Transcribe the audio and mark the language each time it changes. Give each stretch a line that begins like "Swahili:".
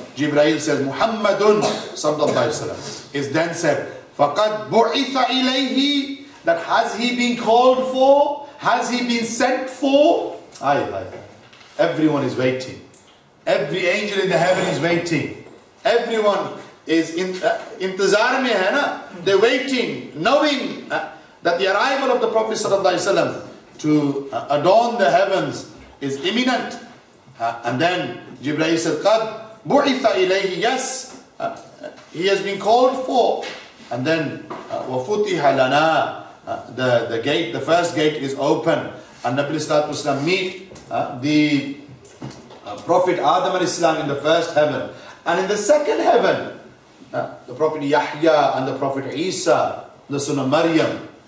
English: Jibreel says, Muhammadun sallallahu alayhi wasallam. It then said,
Arabic: فَقَدْ بُعِثَ إِلَيْهِ
English: That has he been called for? Has he been sent for? Everyone is waiting. Every angel in the heaven is waiting. Everyone is
Urdu: اِنتظار میں ہے نا؟
English: They're waiting, knowing that the arrival of the Prophet sallallahu alaihi wasallam to adorn the heavens is imminent. And then Jibreel said,
Arabic: "Qad bu'itha ilayhi."
English: Yes, he has been called for. And then
Arabic: wafutiha lana,
English: the gate, the first gate is open, and Nabi sallallahu alaihi wasallam meet the Prophet Adam alayhi salam in the first heaven, and in the second heaven, the Prophet Yahya and the Prophet Isa, the son of Maryam.